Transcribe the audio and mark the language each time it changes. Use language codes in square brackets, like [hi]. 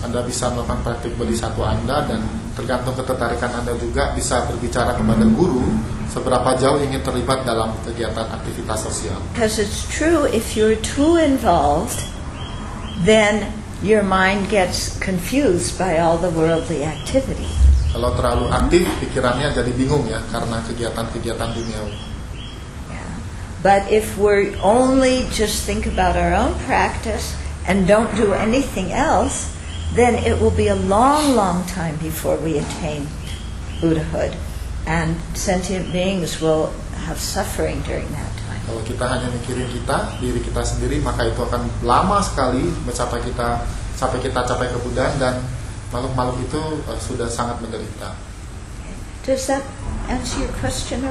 [id] Anda bisa melakukan praktik bodhisattva Anda dan tergantung ketertarikan Anda juga bisa berbicara kepada guru seberapa jauh ingin terlibat dalam kegiatan aktivitas sosial. [en] Because it's true, if you're too involved, then your mind gets confused by all the worldly activity. [id] Kalau terlalu aktif, pikirannya jadi bingung ya karena kegiatan-kegiatan duniawi. [en] But if we only just think about our own practice and don't do anything else, then it will be a long, long time before we attain Buddhahood, and sentient beings will have suffering during that time. [id] Kalau kita hanya mikirin kita, diri kita sendiri, maka itu akan lama sekali sampai kita capai kebuddhaan, dan makhluk-makhluk itu sudah sangat menderita. [en] Does that answer your question?